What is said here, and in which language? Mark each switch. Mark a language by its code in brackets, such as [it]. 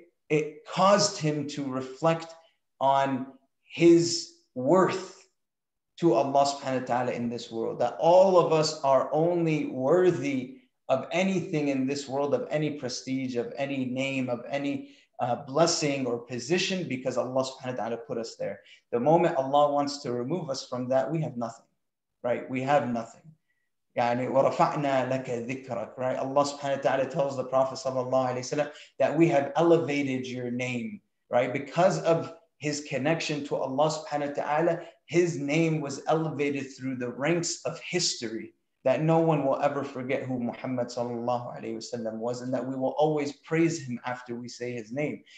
[en] it caused him to reflect on his worth to Allah subhanahu wa ta'ala in this world, that all of us are only worthy of anything in this world, of any prestige, of any name, of any blessing or position, because Allah subhanahu wa ta'ala put us there. The moment Allah wants to remove us from that, we have nothing, right? We have nothing. [ar] يعني ورفعنا لك ذكرك, right? [en] Allah subhanahu wa ta'ala tells the Prophet sallallahu alayhi wa sallam that we have elevated your name, right? Because of his connection to Allah subhanahu wa ta'ala, his name was elevated through the ranks of history, that no one will ever forget who Muhammad sallallahu alayhi wa sallam was, and that we will always praise him after we say his name.